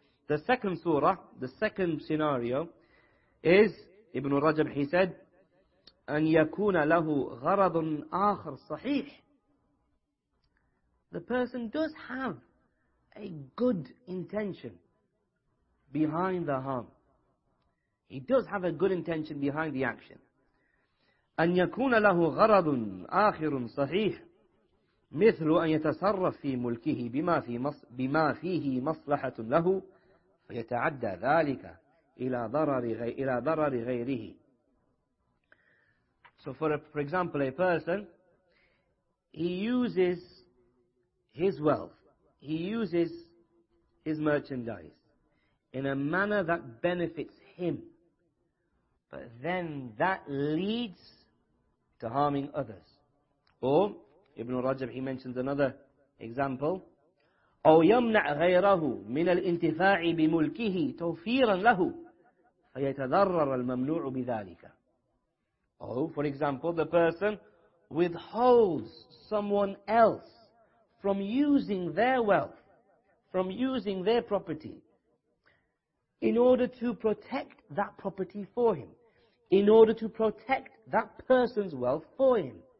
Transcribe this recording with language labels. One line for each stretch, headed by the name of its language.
English: The second surah, the second scenario, is Ibn Rajab, he said,
Arabic: أن يكون له غرض آخر صحيح.
English: The person does have a good intention behind the harm. He does have a good intention behind the action.
Arabic: أن يكون له غرض آخر صحيح مثل أن يتصرف في ملكه بما فيه مصلحة له فيتعدى ذلك إلى ضرر غيره.
English: So for example, a person, he uses his wealth, he uses his merchandise in a manner that benefits him, but then that leads to harming others. Or, Ibn Rajab, he mentions another example.
Arabic: أو يمنع غيره من الانتفاع بملكه توفيرا له فيتضرر المملوع بذلك.
English: Oh, for example, the person withholds someone else from using their wealth, from using their property, in order to protect that property for him, in order to protect that person's wealth for him.